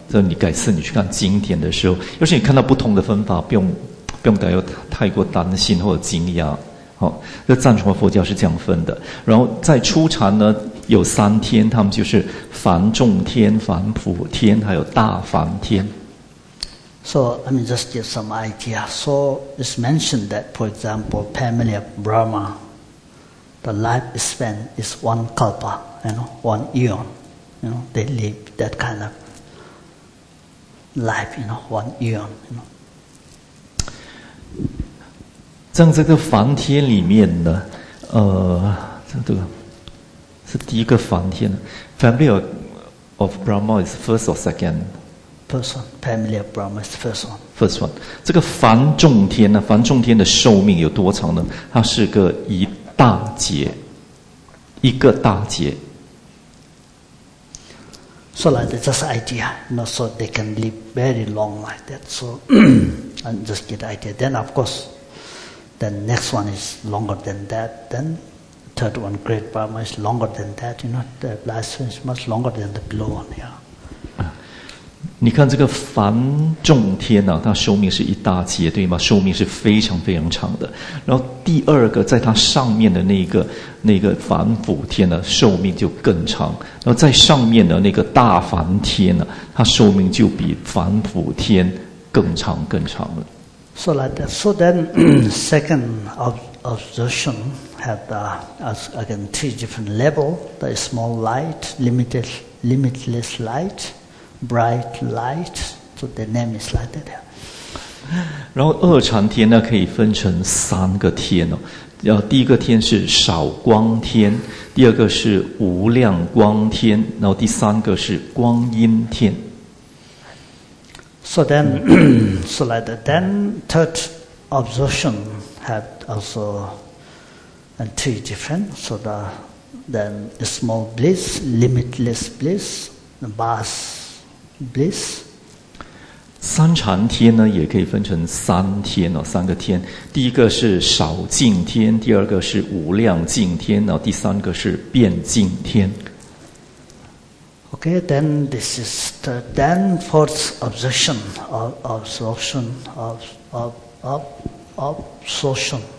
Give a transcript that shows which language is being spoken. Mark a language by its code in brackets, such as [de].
[zh] 这你改次你去看经典的时候，要是你看到不同的分法，不用感到太过担心或者惊讶。这藏传佛教是这样分的，然后在初禅呢有3天，他们就是梵众天、梵普天还有大梵天。 [en] So let me just give some idea. So it's mentioned that for example family of Brahma, the life span is one kalpa, you know, one eon, you know, they live that kind of life, you know, one eon, you know. [zh] 在这个梵天里面呢，这个是第一个梵天。 [en] Family of Brahma is first or second? First one. Family of Brahma is first one. First one. [zh] 这个梵众天呢，梵众天的寿命有多长呢？它是个一大劫，一个大劫。 [en] So like that's just idea, you know, so they can live very long like that. So and just get idea. Then of course. Then next one is longer than that. Then third one, Great Brahma, is longer than that. You know, the last one is much longer than the below one. Yeah. [zh] 你看这个梵众天啊，它寿命是一大劫，对吗？寿命是非常非常长的。然后第二个，在它上面的那个梵普天呢，寿命就更长。然后在上面的那个大梵天呢，它寿命就比梵普天更长更长了。 [en] So like that. So then, second observation had again three different levels. The small light, limitless light, bright light. So the name is like that. [zh] 然后二禅天呢，可以分成三个天哦。要第一个天是少光天，第二个是无量光天，然后第三个是光阴天。 [en] So then, so like that. Then third absorption had also and three different. So the then a small bliss, limitless bliss, the vast bliss. [zh] 三禅天呢，也可以分成三天哦，三个天。第一个是少净天，第二个是无量净天，然后第三个是遍净天。 [en] Okay, then this is the then fourth absorption.